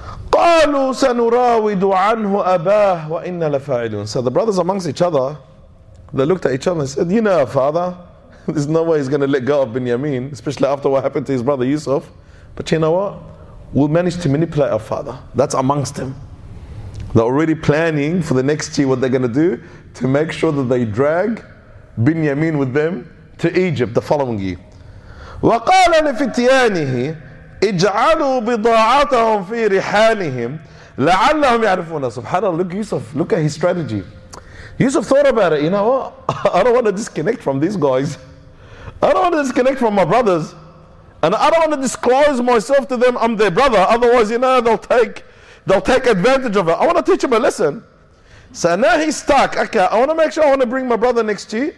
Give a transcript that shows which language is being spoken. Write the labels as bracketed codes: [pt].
[ar] قَالُوا سَنُرَاوِدُ عَنْهُ أَبَاهُ وَإِنَّا لَفَاعِلُونَ [en] So the brothers amongst each other, they looked at each other and said, you know, father, there's no way he's going to let go of Binyamin, especially after what happened to his brother Yusuf. But you know what? We'll manage to manipulate our father. That's amongst them. They're already planning for the next year what they're going to do to make sure that they drag Binyamin with them to Egypt the following year. [ar] وَقَالَ لِفِتْيَانِهِ اجعلوا بضاعتهم في رحالهم لعلهم يعرفون سبحانه [en] Look Yusuf, look at his strategy. Yusuf thought about it, you know what? I don't want to disconnect from these guys. I don't want to disconnect from my brothers. And I don't want to disclose myself to them, I'm their brother. Otherwise, you know, they'll take advantage of it. I want to teach them a lesson. So now he's stuck. Okay, I want to make sure I want to bring my brother next year.